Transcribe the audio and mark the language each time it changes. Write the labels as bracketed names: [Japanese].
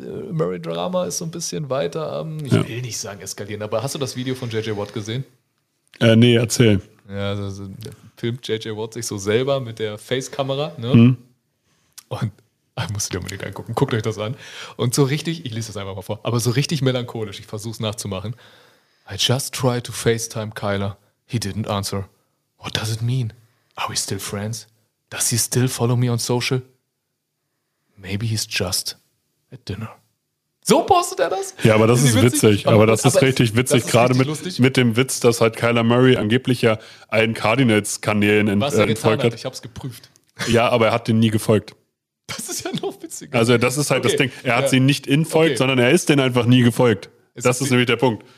[German] Murray-Drama ist so ein bisschen weiter. Will nicht sagen eskalieren, aber hast du das Video von J.J. Watt gesehen? Nee, erzähl. Ja, also, filmt J.J. Watt sich so selber mit der Face-Kamera. Ne? Und musst du dir unbedingt angucken. Guckt euch das an. Und so richtig, ich lese das einfach mal vor, aber so richtig melancholisch, ich versuche es nachzumachen. [English] I just tried to FaceTime Kyler. He didn't answer. What does it mean? Are we still friends? Does he still follow me on social? Maybe he's just at dinner. [German] So postet er das? Ja, aber das ist witzig. Aber das ist richtig witzig. Gerade mit dem Witz, dass halt Kyler Murray angeblich ja allen Cardinals-Kanälen entfolgt hat. Ich habe es geprüft. Ja, aber er hat den nie gefolgt. Das ist ja noch witziger. Also das ist halt das Ding. Er hat sie nicht infolgt, sondern er ist denen einfach nie gefolgt. Das ist nämlich der Punkt.